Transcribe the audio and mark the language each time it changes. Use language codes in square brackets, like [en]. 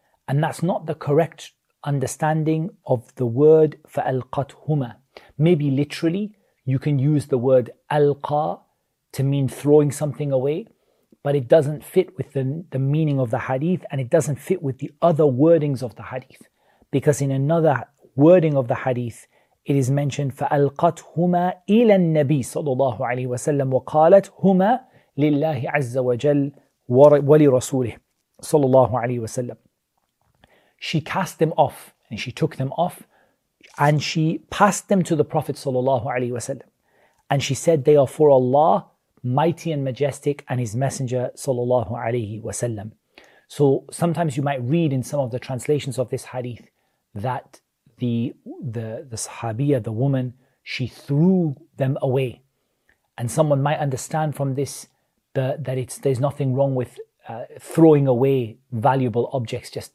[en] And that's not the correct understanding of the word فَأَلْقَتْهُمَا. Maybe literally, You can use the word alqa to mean throwing something away, but it doesn't fit with the meaning of the hadith, and it doesn't fit with the other wordings of the hadith. Because in another wording of the hadith, it is mentioned, [ar] فَأَلْقَتْهُمَا إِلَى النَّبِيِّ صَلَّى اللَّهُ عَلَيْهِ وَسَلَّمَ وَقَالَتْ هُمَا لِلَّهِ عَزَّ وَجَلَّ وَلِرَسُولِهِ صَلَّى اللَّهُ عَلَيْهِ وَسَلَّمَ. [en] She cast them off, and she took them off, and she passed them to the Prophet sallallahu alaihi wasallam, and she said, "They are for Allah, mighty and majestic, and His Messenger sallallahu alaihi wasallam." So sometimes you might read in some of the translations of this hadith that the Sahabiyya, the woman, she threw them away, and someone might understand from this that there's nothing wrong with throwing away valuable objects.